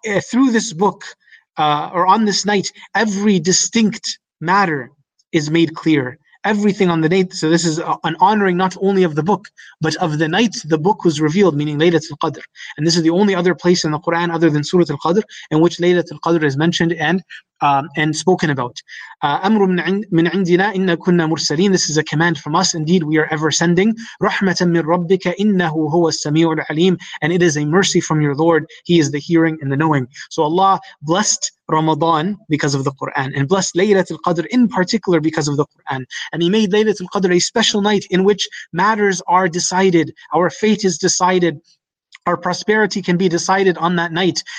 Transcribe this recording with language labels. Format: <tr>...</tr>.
<en>Through this book, or on this night, every distinct matter is made clear. Everything on the night, so this is an honoring not only of the book, but of the night the book was revealed, meaning Laylatul Qadr. And this is the only other place in the Quran other than Surah Al-Qadr in which Laylatul Qadr is mentioned and spoken about.</en> <ar>أمر من عندنا إن كنا مرسلين.</ar> <en>This is a command from us. Indeed, we are ever sending.</en> <ar>رحمة من ربك إنه هو السميع العليم.</ar> <en>And it is a mercy from your Lord. He is the hearing and the knowing. So Allah blessed Ramadan because of the Quran, and blessed Laylatul Qadr in particular because of the Quran. And He made Laylatul Qadr a special night in which matters are decided. Our fate is decided. Our prosperity can be decided on that night.</en>